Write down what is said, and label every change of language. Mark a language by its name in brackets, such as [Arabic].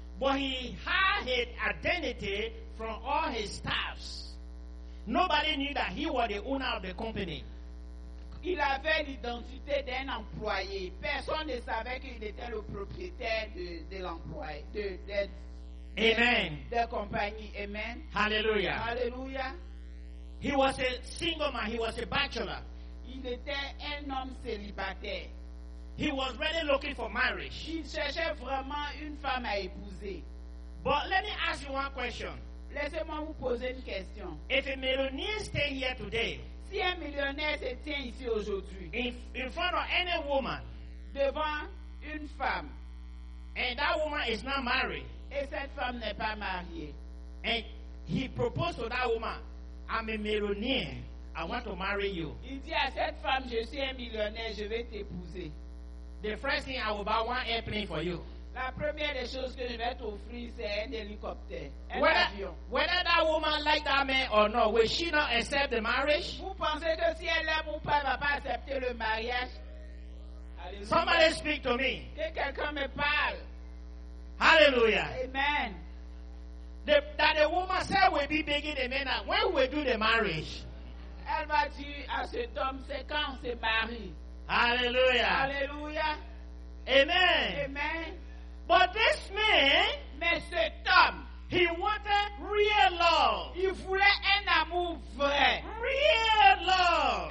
[English] But he had his identity from all his staffs. Nobody knew that he was the owner of the company. [French] Il avait l'identité d'un employé. Personne ne savait qu'il était le propriétaire de l'employé. [English] Amen. [French] De la compagnie. Amen. [English] Hallelujah. [French] Hallelujah. [English] He was a single man. He was a bachelor. [French] Il était un homme célibataire. [English] He was really looking for marriage. [French] Il cherchait vraiment une femme à épouser. [English] But let me ask you one question. [French] Laissez-moi vous poser une question. [English] If a millionaire stay here today, [French] si un millionnaire se tient ici aujourd'hui, [English] in front of any woman, [French] devant une femme, [English] and that woman is not married, [French] et cette femme n'est pas mariée, [English] and he proposed to that woman, I'm a millionaire, I want to marry you. [French] Il dit à cette femme, je suis un millionnaire, je vais t'épouser. [English] The first thing, I will buy one airplane for you. [French] La première des choses que je vais t'offrir, c'est un hélicoptère, avion. [English] Whether that woman like that man or not, will she not accept the marriage? [French] Vous pensez que si elle aime ou pas, elle va pas accepter le mariage? [English] Alléluia. Somebody speak to me. [French] Que quelqu'un me parle. [English] Hallelujah. Amen. That the woman said will be begging the man, when will we do the marriage? [French] Elle va dire à cet homme, c'est quand on se marie. [English] Hallelujah. [French] Hallelujah. [English] Amen. [French] Amen. [English] But this man, [French] mais cet homme, [English] he wanted real love. [French] Il voulait un amour vrai. [English] Real love.